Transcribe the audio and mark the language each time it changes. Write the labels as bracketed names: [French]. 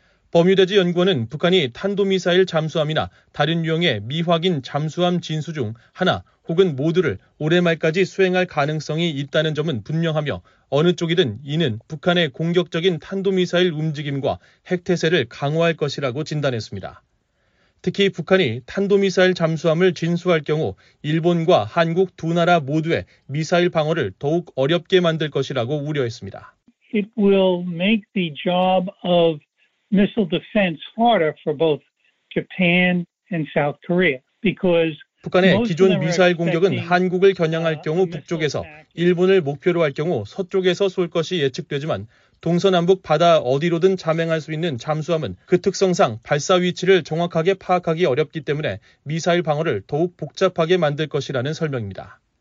[Korean] 버뮤다지 연구원은 북한이 탄도미사일 잠수함이나 다른 유형의 미확인 잠수함 진수 중 하나 혹은 모두를 올해 말까지 수행할 가능성이 있다는 점은 분명하며 어느 쪽이든 이는 북한의 공격적인 탄도미사일 움직임과 핵태세를 강화할 것이라고 진단했습니다. 특히 북한이 탄도미사일 잠수함을 진수할 경우 일본과 한국 두 나라 모두의 미사일 방어를 더욱 어렵게 만들 것이라고 우려했습니다. [English] It will make the job of missile defense harder for both Japan and South Korea because [Korean] 북한의 기존 미사일 공격은 한국을 겨냥할 경우 북쪽에서, 일본을 목표로 할 경우 서쪽에서 쏠 것이 예측되지만 동서남북 바다 어디로든 잠행할 수 있는 잠수함은 그 특성상 발사 위치를 정확하게 파악하기 어렵기 때문에 미사일 방어를 더욱 복잡하게 만들 것이라는 설명입니다.